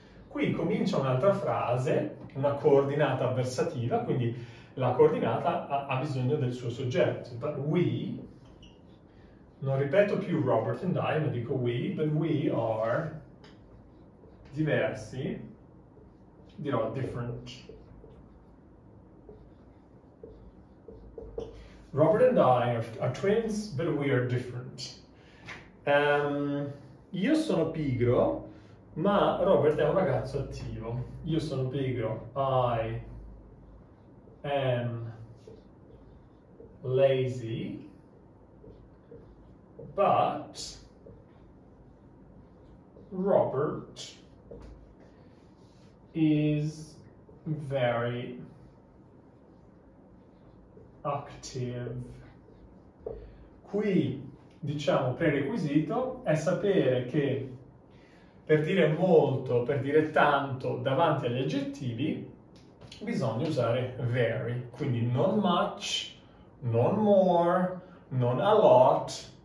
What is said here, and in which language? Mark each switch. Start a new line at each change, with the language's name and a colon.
Italian: Qui comincia un'altra frase, una coordinata avversativa, quindi la coordinata ha bisogno del suo soggetto.
English: But we.
Italian: Non ripeto più
English: Robert and I,
Italian: ma dico we,
English: but we are
Italian: diversi, dirò different.
English: Robert and I are twins, but we are different.
Italian: Io sono pigro, ma Robert è un ragazzo attivo. Io sono pigro,
English: I am lazy. But Robert is very active.
Italian: Qui, diciamo, prerequisito è sapere che per dire molto, per dire tanto davanti agli aggettivi, bisogna usare very, quindi non much, non more, non a lot.